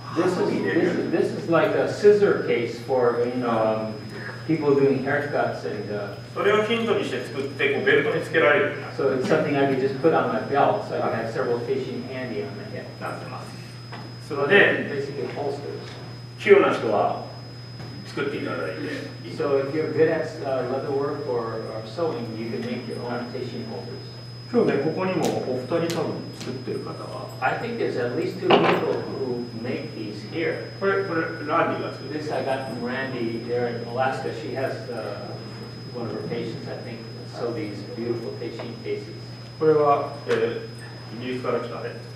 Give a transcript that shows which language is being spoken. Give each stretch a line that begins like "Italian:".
English: This is like a scissor case for you know people doing haircuts and.
Japanese: それをヒントにして作ってこうベルトにつけられる。
English: So it's something I could just put on my belt, so I can have several fishing handy on my hip.
Japanese: なってます。それで、器用な人は作っていただいて、
English: So if you're good at leatherwork or sewing, you can make your own teishin holders.
Japanese: 今日ね、ここにもお二人多分作ってる方は、
English: I think there's at least two people who make these here.
Japanese: これ、Randy が作ってる。
English: This I got from Randy there in Alaska. She has one of her patients, I think, sew these beautiful teishin cases.
Japanese: これは、ニュースから来たね。